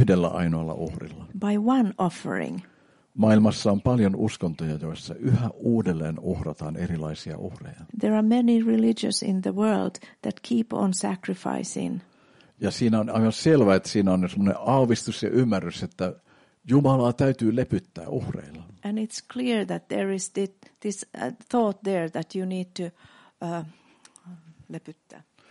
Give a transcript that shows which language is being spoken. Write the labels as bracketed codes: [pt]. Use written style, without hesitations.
[fi] Yhdellä ainoalla uhrilla. [en] By one offering. [fi] Maailmassa on paljon uskontoja, joissa yhä uudelleen uhrataan erilaisia uhreja. [en] There are many religions in the world that keep on sacrificing. [fi] Ja siinä on aivan selvä, että siinä on semmoinen aavistus ja ymmärrys, että Jumalaa täytyy lepyttää uhreilla. [en] And it's clear that there is this thought there that you need to lepyttää.